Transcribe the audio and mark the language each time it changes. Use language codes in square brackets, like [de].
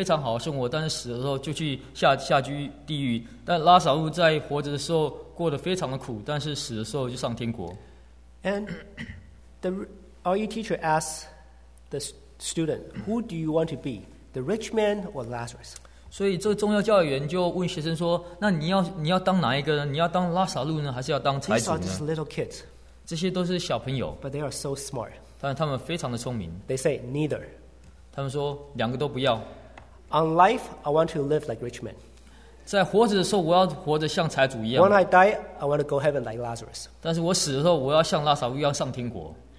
[zh] 这个财主在世的时候过着非常好的生活，但是死的时候就去下地狱。但拉撒路在活着的时候过得非常的苦，但是死的时候就上天国。 [en] And the RE teacher asked the student, who do you want to be, the rich man or Lazarus? [zh] 所以这个宗教教育员就问学生说：“那你要当哪一个呢？你要当拉撒路呢，还是要当财主呢？” [en] These are just little kids. [zh] 这些都是小朋友。 [en] But they are so smart. [zh] 但他们非常的聪明。 [en] They say neither. [zh] 他们说两个都不要。 [en] On life, I want to live like rich men. [zh] 在活着的时候，我要活得像财主一样。 [en] When I die, I want to go heaven like Lazarus. [zh] 但是我死的时候，我要像拉撒路一样上天国。